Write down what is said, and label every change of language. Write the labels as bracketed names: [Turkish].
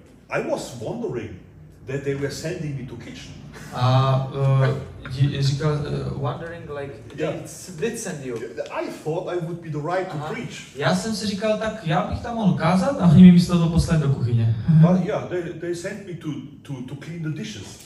[English] I was wondering that they were sending me to kitchen. Wondering like did send you. I thought I would be the right to preach. [Czech] Já jsem si říkal, tak já bych tam mohl kázat, a oni mi místo toho poslali do kuchyně. [English] But yeah, they sent me to clean the dishes.